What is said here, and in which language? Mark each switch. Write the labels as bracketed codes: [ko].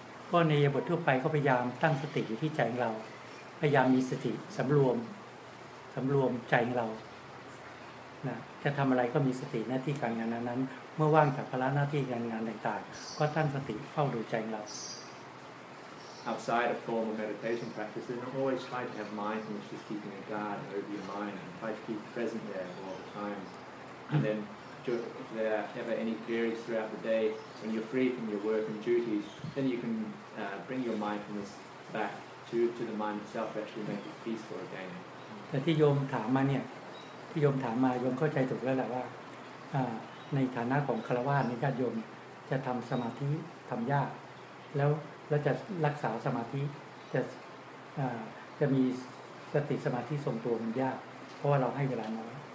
[th] ก็ในอิริยาบถทั่วไปก็พยายามตั้งสติอยู่ที่ใจเราพยายามมีสติสำรวมสำรวมใจของเรานะจะทำอะไรก็มีสติหน้าที่การงานนั้นเมื่อว่างจากภาระหน้าที่การงานต่างๆก็ตั้งสติเฝ้าดูใจของเรา [en] Outside of formal meditation practice, then always try to have mind which is keeping a guard over your mind and try to keep present there all the time. And then, if there are ever any queries throughout the day when you're free from your work and duties, then you can bring your mindfulness back to the mind itself, actually make it peaceful again. [th] แต่ที่โยมถามมาเนี่ยที่โยมถามมาโยมเข้าใจถูกแล้วแหละว่าในฐานะของฆราวาสในญาติโยมจะทำสมาธิทำยากแล้วจะรักษาสมาธิจะมีสติสมาธิทรงตัวมันยากเพราะว่าเราให้เวลาน้อย